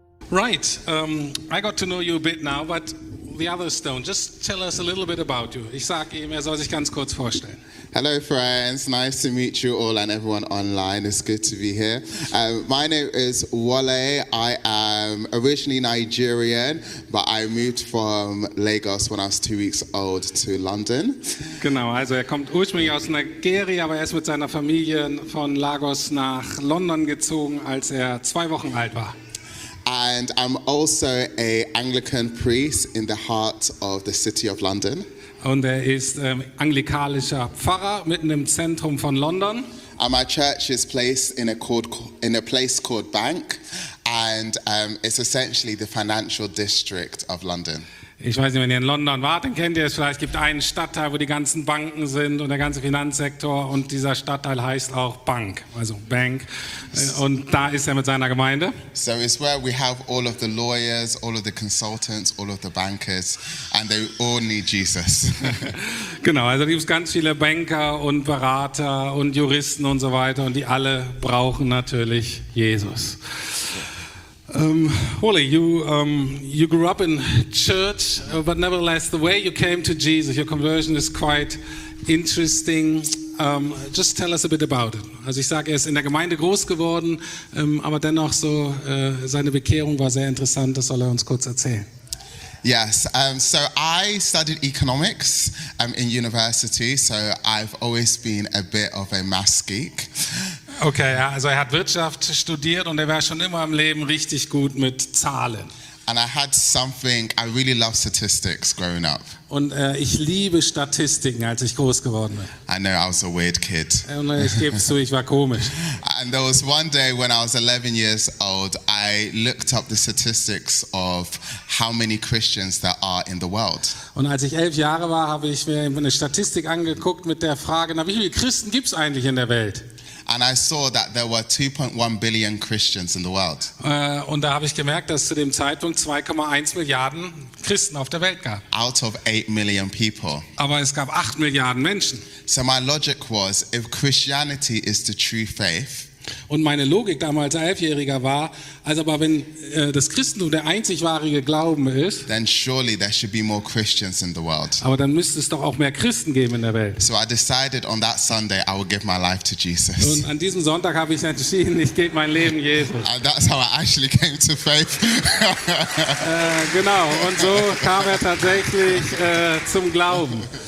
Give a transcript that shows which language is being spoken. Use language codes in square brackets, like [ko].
[en] Right, I got to know you a bit now, but the others don't. Just tell us a little bit about you. [de] Ich sag ihm, er soll sich ganz kurz vorstellen. [en] Hello, friends. Nice to meet you all and everyone online. It's good to be here. My name is Wole. I am originally Nigerian, but I moved from Lagos when I was 2 weeks old to London. [de] Genau, also er kommt ursprünglich aus Nigeria, aber er ist mit seiner Familie von Lagos nach London gezogen, als er 2 Wochen alt war. [en] And I'm also a Anglican priest in the heart of the city of London. [de] Und er ist anglikanischer Pfarrer mitten im Zentrum von London. [en] And my church is placed in a place called Bank, and it's essentially the financial district of London. [de] Ich weiß nicht, wenn ihr in London wart, dann kennt ihr es vielleicht. Es gibt einen Stadtteil, wo die ganzen Banken sind und der ganze Finanzsektor. Und dieser Stadtteil heißt auch Bank, also Bank. Und da ist er mit seiner Gemeinde. [en] So it's where we have all of the lawyers, all of the consultants, all of the bankers. And they all need Jesus. [de] Genau, also gibt es ganz viele Banker und Berater und Juristen und so weiter. Und die alle brauchen natürlich Jesus. [en] Wole, you grew up in church, but nevertheless, the way you came to Jesus, your conversion is quite interesting. Just tell us a bit about it. [de] Also ich sage, er ist in der Gemeinde groß geworden, aber dennoch so, seine Bekehrung war sehr interessant, das soll er uns kurz erzählen. [en] Yes, so I studied economics in university, so I've always been a bit of a maths geek. [de] Okay, also er hat Wirtschaft studiert und er war schon immer im Leben richtig gut mit Zahlen. [en] And I had something, I really loved statistics growing up. [de] Und ich liebe Statistiken, als ich groß geworden bin. [en] I know, I was a weird kid. [de] Und ich gebe zu, ich war komisch. [en] And there was one day when I was 11 years old, I looked up the statistics of how many Christians there are in the world. [de] Und als ich 11 Jahre war, habe ich mir eine Statistik angeguckt mit der Frage, na, wie viele Christen gibt es eigentlich in der Welt? [en] And I saw that there were 2.1 billion Christians in the world. [de] Und da habe ich gemerkt, dass zu dem Zeitpunkt 2,1 Milliarden Christen auf der Welt gab. [en] Out of 8 million people. [de] Aber es gab 8 Milliarden Menschen. [en] So my logic was, if Christianity is the true faith. [de] Und meine Logik damals als Elfjähriger war, also aber wenn das Christentum der einzig wahre Glauben ist, [en] then surely there should be more Christians in the world. [de] Aber dann müsste es doch auch mehr Christen geben in der Welt. [en] So I decided on that Sunday I would give my life to Jesus. [de] Und an diesem Sonntag habe ich entschieden, ich gebe mein Leben Jesus. [en] And that's how I actually came to faith. [de] Genau, und so kam er tatsächlich zum Glauben.